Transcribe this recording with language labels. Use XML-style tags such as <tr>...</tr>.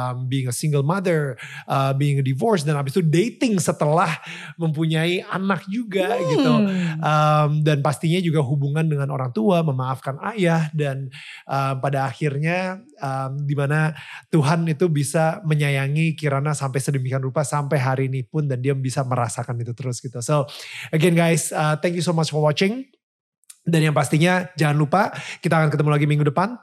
<en>Being a single mother, being a divorce,</en> <id>dan abis itu dating setelah mempunyai anak juga. Gitu. Dan pastinya juga hubungan dengan orang tua, memaafkan ayah, dan pada akhirnya dimana Tuhan itu bisa menyayangi Kirana sampai sedemikian rupa sampai hari ini pun, dan dia bisa merasakan itu terus gitu.</id> <en>So again guys, thank you so much for watching.</en> <id>Dan yang pastinya jangan lupa, kita akan ketemu lagi minggu depan.</id>